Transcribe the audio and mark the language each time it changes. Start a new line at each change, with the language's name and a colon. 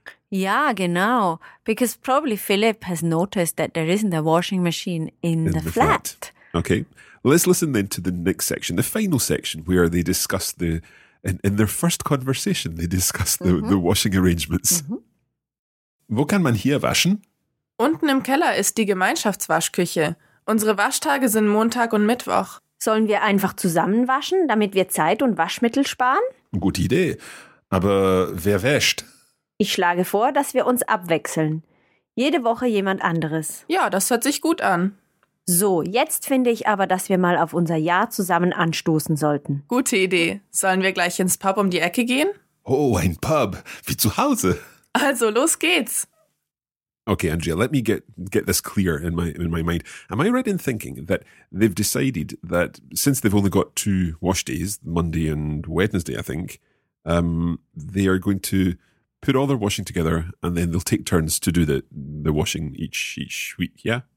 English: Yeah, genau. Because probably Philip has noticed that there isn't a washing machine in the flat. Okay. Let's listen then to the next section, the final section, where they discuss in their first conversation, they discuss the, mm-hmm. the washing arrangements. Mm-hmm.
German: Wo kann man hier waschen? Unten im Keller ist die Gemeinschaftswaschküche. Unsere Waschtage sind Montag und Mittwoch. Sollen wir einfach zusammen waschen, damit wir Zeit und Waschmittel sparen? Gute Idee. Aber wer wäscht? Ich schlage vor, dass wir uns abwechseln. Jede Woche jemand anderes. Ja, das hört sich gut an. So, jetzt finde ich aber, dass wir mal auf unser Jahr zusammen anstoßen sollten. Gute Idee. Sollen wir gleich ins Pub um die Ecke gehen? Oh, ein Pub. Wie zu Hause. Also, los geht's.
English: Okay, Andrea, let me get this clear in my mind. Am I right in thinking that they've decided that since they've only got two wash days, Monday and Wednesday, I think, they are going to put all their washing together and then they'll take turns to do the washing each week, yeah?